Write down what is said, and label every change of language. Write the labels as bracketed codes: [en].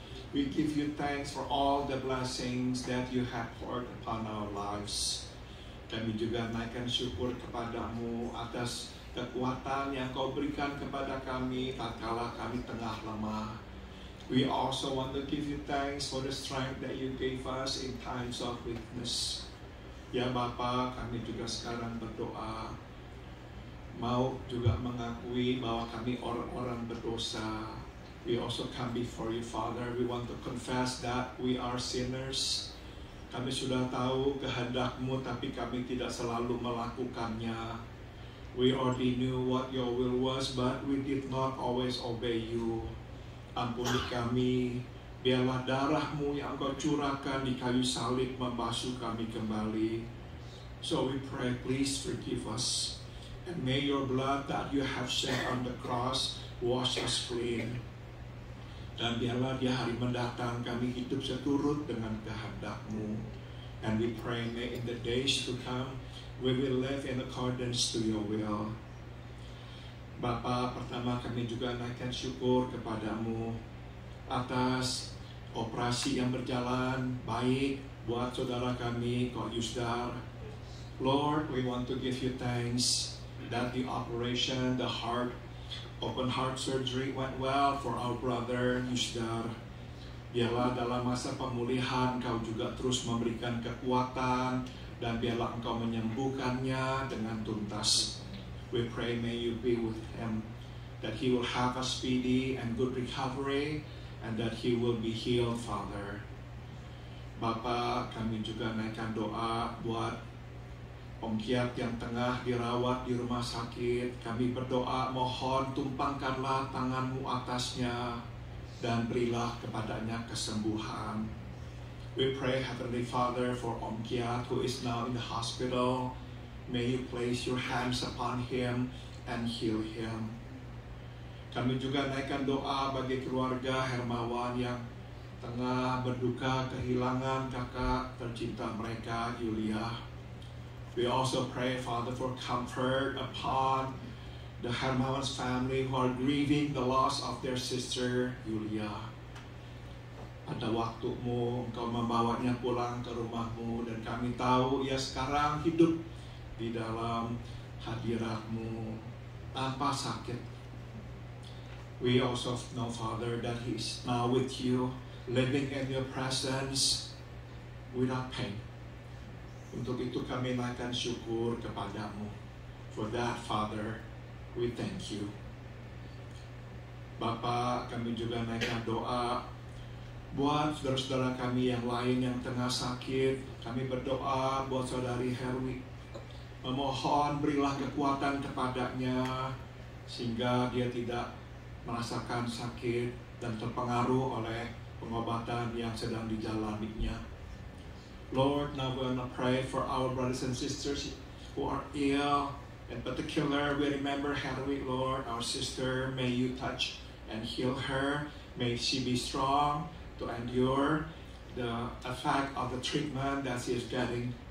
[en] We give you thanks for all the blessings that you have poured upon our lives. [id] Kami juga naikkan syukur kepada-Mu atas kekuatan yang Kau berikan kepada kami tatkala kami tengah lemah. [en] We also want to give you thanks for the strength that you gave us in times of weakness. [id] Ya Bapa, kami juga sekarang berdoa mau juga mengakui bahwa kami orang-orang berdosa. [en] We also come before you, Father. We want to confess that we are sinners. [id] Kami sudah tahu kehendak-Mu, tapi kami tidak selalu melakukannya. [en] We already knew what your will was, but we did not always obey you. [id] Ampuni kami, biarlah darah-Mu yang Engkau curahkan di kayu salib membasuh kami kembali. [en] So we pray, please forgive us. And may your blood that you have shed on the cross wash us clean. [id] Dan biarlah di hari mendatang kami hidup seturut dengan kehendak-Mu. [en] And we pray, may in the days to come, we will live in accordance to your will. [id] Bapa, pertama kami juga naikkan syukur kepada-Mu atas operasi yang berjalan baik buat saudara kami, Kor Yusdar. [en] Lord, we want to give you thanks that the operation, the heart, open heart surgery went well for our brother Yusdar. [id] Biarlah dalam masa pemulihan kau juga terus memberikan kekuatan dan biarlah engkau menyembuhkannya dengan tuntas. [en] We pray may you be with him, that he will have a speedy and good recovery and that he will be healed, Father. [id] Bapa, kami juga naikkan doa buat Om Kiat yang tengah dirawat di rumah sakit. Kami berdoa, mohon tumpangkanlah tangan-Mu atasnya dan berilah kepadanya kesembuhan. [en] We pray, Heavenly Father, for Om Kiat who is now in the hospital. May you place your hands upon him and heal him. [id] Kami juga naikkan doa bagi keluarga Hermawan yang tengah berduka kehilangan kakak tercinta mereka, Yulia. [en] We also pray, Father, for comfort upon the Hermawan's family who are grieving the loss of their sister, Yulia. [id] Pada waktu-Mu, Engkau membawanya pulang ke rumah-Mu, dan kami tahu ia sekarang hidup di dalam hadirat-Mu tanpa sakit. [en] We also know, Father, that he is now with you, living in your presence without pain. [id] Untuk itu kami naikkan syukur kepada-Mu. [en] For that, Father, we thank you. [id] Bapa, kami juga naikkan doa buat saudara-saudara kami yang lain yang tengah sakit. Kami berdoa buat saudari Herwi. Memohon berilah kekuatan kepadanya sehingga dia tidak merasakan sakit dan terpengaruh oleh pengobatan yang sedang dijalaninya. [en] Lord, now we're going to pray for our brothers and sisters who are ill. In particular, we remember Henry, Lord, our sister. May you touch and heal her. May she be strong to endure the effect of the treatment that she is getting.